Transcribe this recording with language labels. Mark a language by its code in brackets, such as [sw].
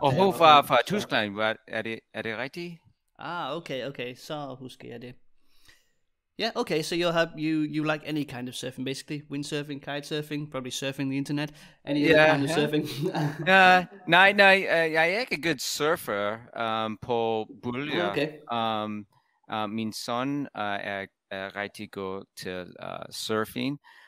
[da] Og hun var fra Tyskland, er det rigtigt? Ah, okay, så husker jeg det. [en] Yeah, okay, so you like any kind of surfing, basically. Windsurfing, kitesurfing, probably surfing the internet. Any kind of surfing. [da] Nej, jeg er ikke en god surfer på bølger. [en] Oh, okay. [da] Min søn er rigtig god til surfing.